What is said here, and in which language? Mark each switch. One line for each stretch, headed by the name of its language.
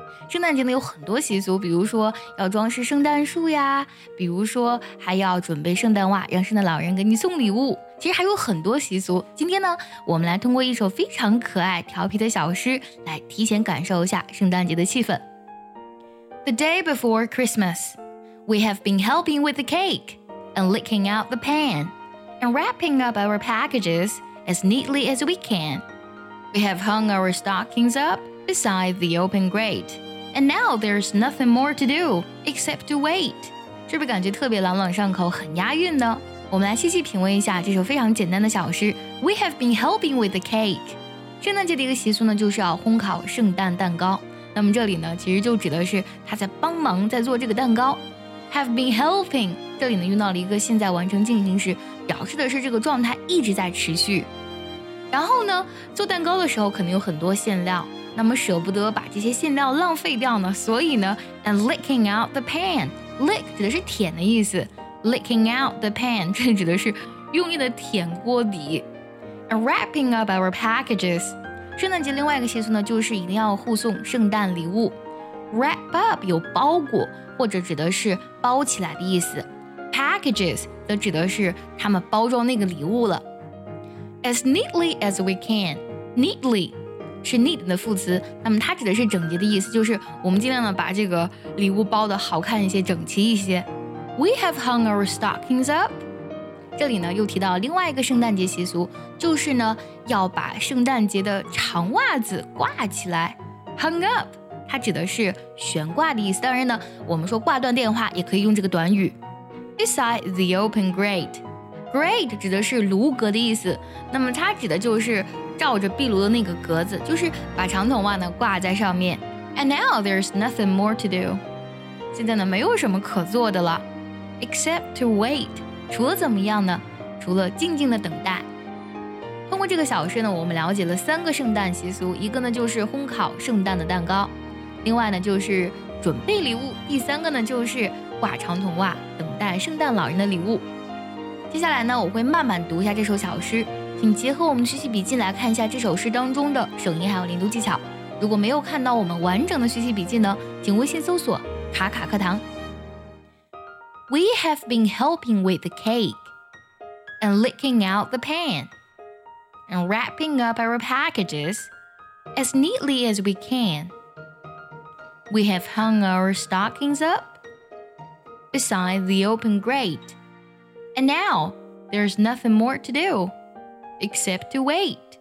Chinese: 圣诞节呢有很多习俗，比如说要装饰圣诞树呀，比如说还要准备圣诞袜，让圣诞老人给你送礼物。其实还有很多习俗。今天呢，我们来通过一首非常可爱、调皮的小诗，来提前感受一下圣诞节的气氛。
English: The day before Christmas. We have been helping with the cake and licking out the pan and wrapping up our packages as neatly as we can. We have hung our stockings up beside the open grate. And now there's nothing more to do except to wait.
Chinese: 是不是感觉特别朗朗上口，很押韵呢？我们来细细品味一下这首非常简单的小诗。
English: We have been helping with the cake.
Chinese: 圣诞节的一个习俗呢，就是要烘烤圣诞蛋糕。那么这里呢，其实就指的是他在帮忙在做这个蛋糕。
English: Have been helping.
Chinese: 这里呢用到了一个现在完成进行时，表示的是这个状态一直在持续。然后呢，做蛋糕的时候可能有很多馅料，那么舍不得把这些馅料浪费掉呢，所以呢
English: And licking out the pan.
Chinese: Lick 指的是舔的意思，
English: Licking out the pan
Chinese: 这指的是用力的舔锅底。
English: And wrapping up our packages.
Chinese: 圣诞节另外一个习俗呢，就是一定要互送圣诞礼物。 Wrap up 有包裹或者指的是包起来的意思， packages 则指的是他们包装那个礼物了。
English: As neatly as we can,
Chinese: neatly 是 neat 的副词，那么它指的是整洁的意思，就是我们尽量的把这个礼物包得好看一些，整齐一些。
English: We have hung our stockings up.
Chinese: 这里呢又提到另外一个圣诞节习俗，就是呢要把圣诞节的长袜子挂起来，
English: hung up.
Chinese: 它指的是悬挂的意思，当然呢，我们说挂断电话也可以用这个短语。
English: Beside the open grate.
Chinese: Grate 指的是炉格的意思，那么它指的就是照着壁炉的那个格子，就是把长筒袜呢挂在上面。
English: And now there's nothing more to do.
Chinese: 现在呢没有什么可做的了。
English: Except to wait.
Chinese: 除了怎么样呢？除了静静的等待。通过这个小事呢，我们了解了三个圣诞习俗，一个呢就是烘烤圣诞的蛋糕。另外呢就是准备礼物，第三个呢就是挂长筒袜等待圣诞老人的礼物。接下来呢我会慢慢读一下这首小诗，请结合我们学习笔记来看一下这首诗当中的省音还有零读技巧。如果没有看到我们完整的学习笔记呢，请微信搜索卡卡课堂。
English: We have been helping with the cake and licking out the pan and wrapping up our packages as neatly as we canWe have hung our stockings up beside the open grate. And now, there's nothing more to do except to wait.